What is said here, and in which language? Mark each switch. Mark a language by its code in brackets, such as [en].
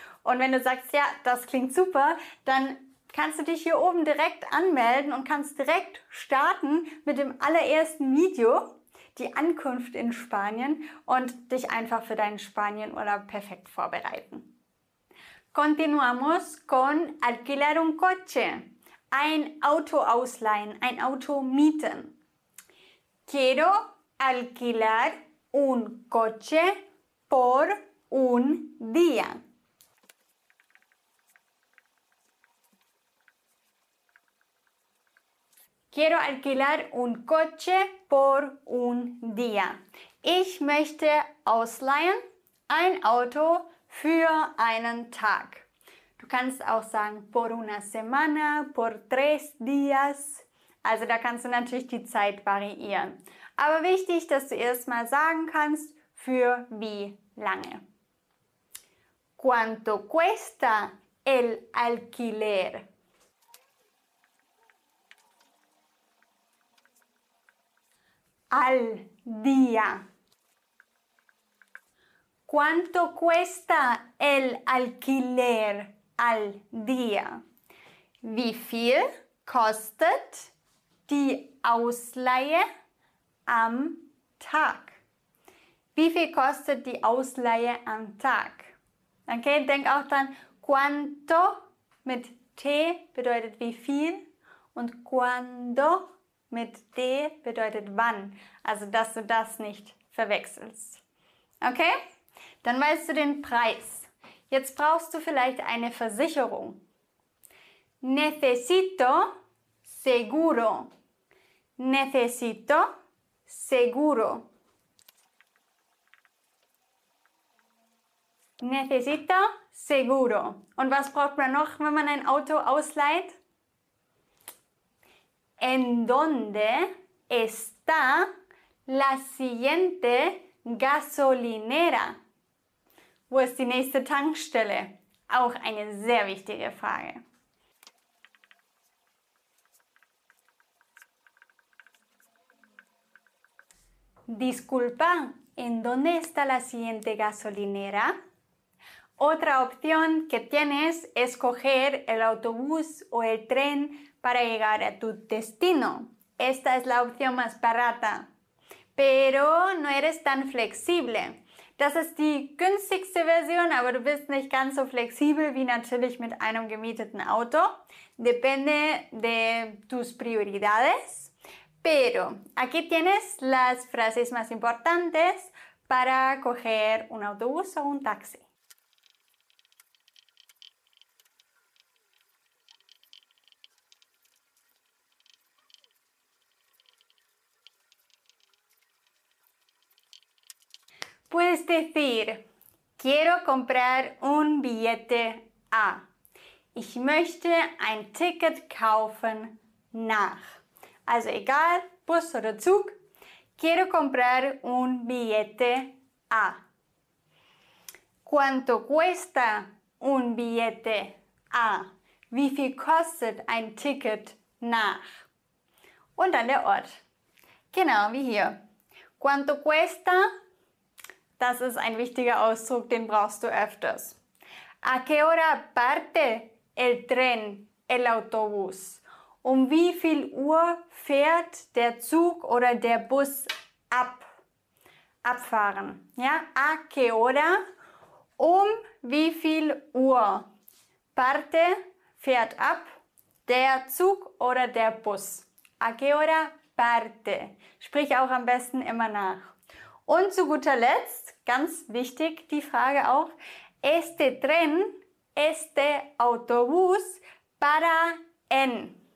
[de] Und wenn du sagst, ja, das klingt super, dann kannst du dich hier oben direkt anmelden und kannst direkt starten mit dem allerersten Video, die Ankunft in Spanien, und dich einfach für deinen Spanienurlaub perfekt vorbereiten. [es] Continuamos con alquilar un coche. [de] Ein Auto ausleihen, ein Auto mieten. [es] Quiero alquilar un coche por un día. Quiero alquilar un coche por un día. [de] Ich möchte ausleihen ein Auto für einen Tag. Du kannst auch sagen [es] por una semana, por tres días. [de] Also da kannst du natürlich die Zeit variieren. Aber wichtig, dass du erstmal sagen kannst, für wie lange. [es] ¿Cuánto cuesta el alquiler? Al día. ¿Cuánto cuesta el alquiler al día? [de] Wie viel kostet die Ausleihe am Tag? Wie viel kostet die Ausleihe am Tag? Okay, denk auch dran, cuánto mit T bedeutet wie viel und cuándo mit D bedeutet wann, also dass du das nicht verwechselst. Okay, dann weißt du den Preis. Jetzt brauchst du vielleicht eine Versicherung. [es] Necesito seguro. Necesito seguro. Necesito seguro. [de] Und was braucht man noch, wenn man ein Auto ausleiht? [es] ¿En dónde está la siguiente gasolinera? [de] Wo ist die nächste Tankstelle? Auch eine sehr wichtige Frage. [es] Disculpa, ¿en dónde está la siguiente gasolinera? Otra opción que tienes es coger el autobús o el tren para llegar a tu destino. Esta es la opción más barata, pero no eres tan flexible. [de] Das ist die günstigste Version, aber du bist nicht ganz so flexibel wie natürlich mit einem gemieteten Auto. [es] Depende de tus prioridades. Pero aquí tienes las frases más importantes para coger un autobús o un taxi. Puedes decir, quiero comprar un billete A. [de] Ich möchte ein Ticket kaufen nach. Also egal, Bus oder Zug, [es] quiero comprar un billete A. ¿Cuánto cuesta un billete A? [de] Wie viel kostet ein Ticket nach? Und dann der Ort. Genau wie hier. [es] ¿Cuánto cuesta? [de] Das ist ein wichtiger Ausdruck, den brauchst du öfters. [es] ¿A qué hora parte el tren, el autobús? [de] Um wie viel Uhr fährt der Zug oder der Bus ab? Abfahren. Ja? [es] ¿A qué hora? [de] Um wie viel Uhr parte, fährt ab, der Zug oder der Bus? [es] ¿A qué hora parte? [de] Sprich auch am besten immer nach. Und zu guter Letzt, ganz wichtig, die Frage auch. [es] Este tren, este autobús, para en.